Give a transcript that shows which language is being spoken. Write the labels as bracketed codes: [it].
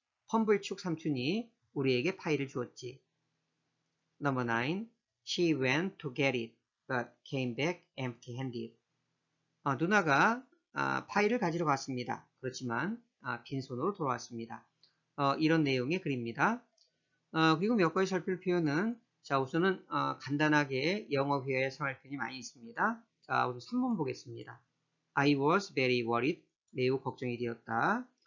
[ko] 펌블축 삼촌이 우리에게 파이를 주었지. [en] Number 9. She went to get it, but came back empty-handed. [ko] 누나가 파이를 가지러 갔습니다. 그렇지만 빈손으로 돌아왔습니다. 이런 내용의 글입니다. 그리고 몇 가지 살필 표현은 우선은 간단하게 영어 회화에 사용할 표현이 많이 있습니다. 우선 3번 보겠습니다. [en] I was very worried. [ko] 매우 걱정이 되었다.